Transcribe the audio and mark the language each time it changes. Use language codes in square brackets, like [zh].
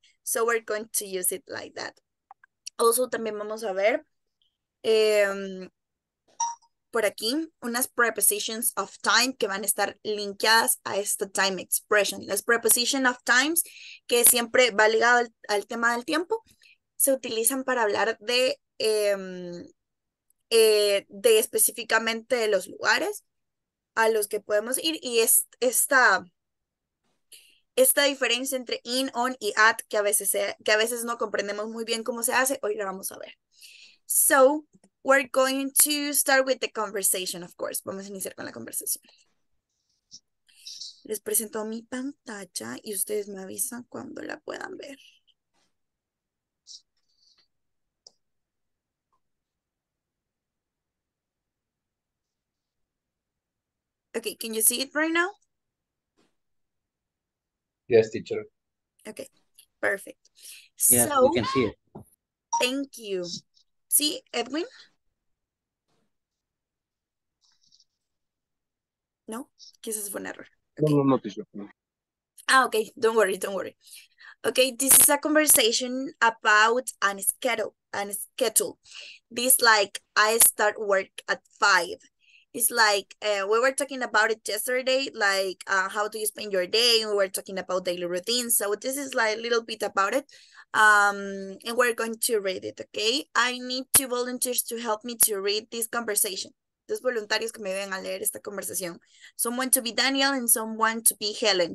[en] So we're going to use it like that. [es] Also, también vamos a ver por aquí unas prepositions of time que van a estar linkeadas a esta time expression. Las preposition of times, que siempre va ligado al tema del tiempo, se utilizan para hablar de específicamente de los lugares a los que podemos ir. Y es esta diferencia entre in, on y at, que a veces no comprendemos muy bien cómo se hace, hoy la vamos a ver. [en] So, we're going to start with the conversation, of course. [es] Vamos a iniciar con la conversación. Les presento mi pantalla y ustedes me avisan cuando la puedan ver. [en] Ok. Okay, can you see it right now? Yes, teacher. Okay, perfect. Yeah, so, we can see it. Thank you. See, Edwin? No? This is one error. Okay. No, teacher. Ah, okay, don't worry. Okay, this is a conversation about a schedule. This, like, I start work at 5. It's like, we were talking about it yesterday, like, how do you spend your day? We were talking about daily routines. So this is like a little bit about it. And we're going to read it, okay? I need two volunteers to help me to read this conversation. [es] Dos voluntarios que me ven a leer esta conversación. [en] Someone to be Daniel and someone to be Helen.